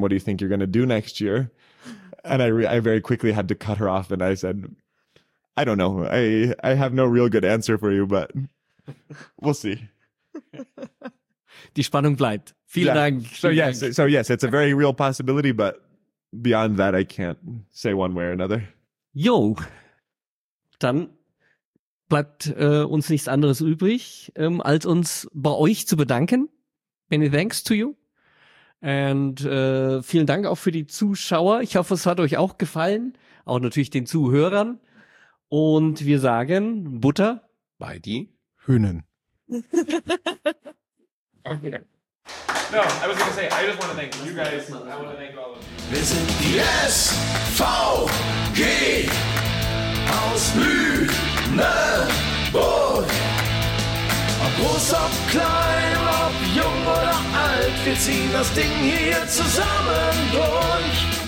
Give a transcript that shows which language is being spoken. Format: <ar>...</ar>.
<en>What do you think you're going to do next year? And I very quickly had to cut her off. And I said, I don't know. I have no real good answer for you, but we'll see.</en> <de>Die Spannung bleibt. Vielen Dank.</de> <en>So yes, it's a very real possibility. But beyond that, I can't say one way or another.</en> <de>Jo, dann bleibt uns nichts anderes übrig, als uns bei euch zu bedanken.</de> <en>Many thanks to you.</en> <de>Und vielen Dank auch für die Zuschauer. Ich hoffe, es hat euch auch gefallen. Auch natürlich den Zuhörern. Und wir sagen Butter bei die Hühnen.</de> <en>No, I was going to say, I just want to thank you guys. I want to thank all of you.</en> <de>Wir sind die SVG aus Lüneburg. Ob groß, ob klein, ob jung oder alt, wir ziehen das Ding hier zusammen durch.</de>